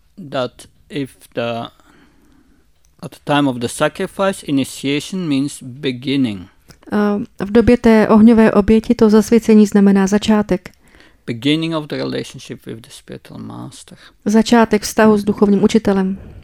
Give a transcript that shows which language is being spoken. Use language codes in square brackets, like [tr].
[en] That if the at the time of the sacrifice initiation means beginning. [cs] V době té ohňové oběti to zasvěcení znamená začátek. [en] Beginning of the relationship with the spiritual master. [cs] Začátek vztahu s duchovním učitelem.